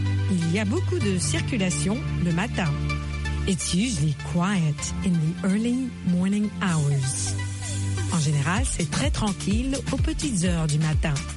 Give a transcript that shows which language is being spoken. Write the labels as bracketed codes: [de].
[fr] Il y a beaucoup de circulation le matin. [en] It's usually quiet in the early morning hours. [fr] En général, c'est très tranquille aux petites heures du matin.